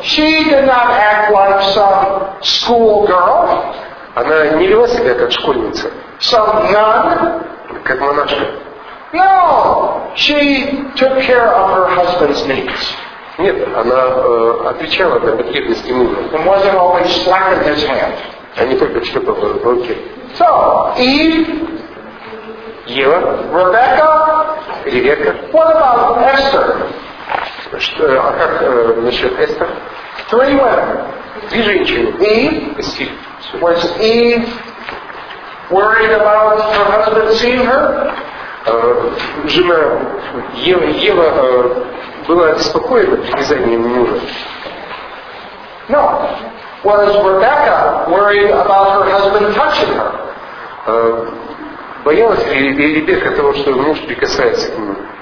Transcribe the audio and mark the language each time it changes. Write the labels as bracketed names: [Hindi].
[English] She did not act like some school girl. [Russian] Она не вела себя как школьница. [English] Some nun? [Russian] Как монашка? [English] No, she took care of her husband's needs. [Russian] Нет, она отвечала на потребности мужа. [English] And wasn't always slapping his hand. [Russian] А не только щипала руки. [English] So, Eve? [Russian] Ева? [English] Rebecca? [Russian] Ревекка? [English] What about Esther? [Russian] А как насчет Эстер? [English] Three women. [Russian] Две женщины. [English] Eve? [Russian] Эстер. [English] Was Eve worried about her husband seeing her? [Russian] Жена Ева была спокойна из-за ее мужа. [English] No. Was Rebecca worried about her husband touching her? [Russian] Боялась ли Ребекка того, что муж прикасается к нему?